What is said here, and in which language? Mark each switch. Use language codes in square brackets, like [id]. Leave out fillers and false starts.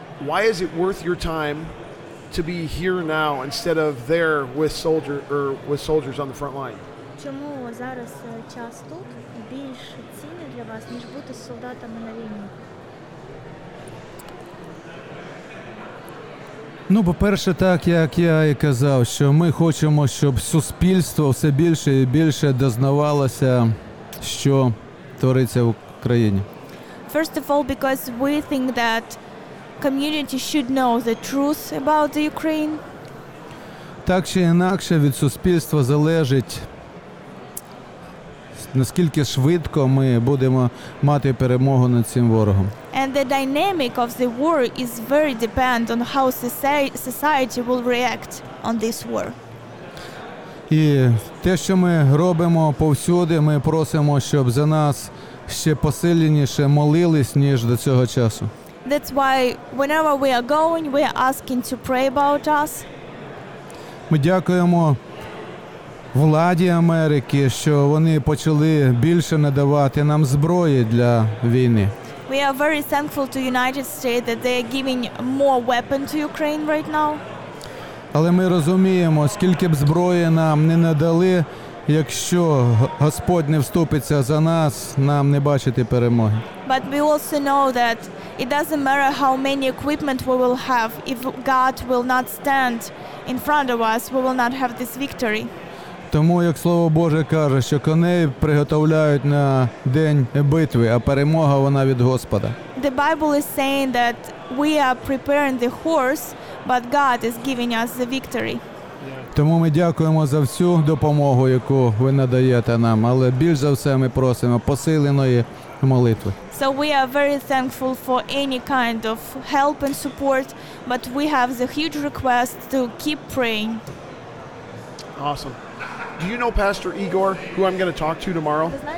[en] Why is it worth your time to be here now instead of there with soldiers on the front line? [uk] Чому зараз час тут більш цінний для вас, ніж бути з солдатами на війні? Ну, по-перше, так, як я і казав, що ми хочемо, щоб суспільство все більше і більше дізнавалося, що твориться в Україні? [en] First of all, because we think that community should know the truth about the Ukraine. [uk] Так чи інакше від суспільства залежить, наскільки швидко ми будемо мати перемогу над цим ворогом. [en] And the dynamic of the war is very dependent on how society will react on this war. [uk] І те, що ми робимо повсюди, ми просимо, щоб за нас ще посиленіше молились, ніж до цього часу. [en] That's why whenever we are going, we are asking to pray about us. [uk] Ми дякуємо владі Америки, що вони почали більше надавати нам зброї для війни. [en] We are very thankful to United States that they are giving more weapons to Ukraine right now. [uk] Але ми розуміємо, скільки б зброї нам не надали, якщо Господь не вступиться за нас, нам не бачити перемоги. [en] But we also know that it doesn't matter how many equipment we will have, if God will not stand in front of us, we will not have this victory. [uk] Тому, як Слово Боже каже, що коней приготовляють на день битви, а перемога вона від Господа. [en] The Bible is saying that we are preparing the horse, but God is giving us the victory. [uk] Тому ми дякуємо за всю допомогу, яку ви надаєте нам, але більш за все ми просимо посиленої молитви. [en] So we are very thankful for any kind of help and support, but we have the huge request to keep praying. Awesome. Do you know Pastor Igor, who I'm going to talk to tomorrow?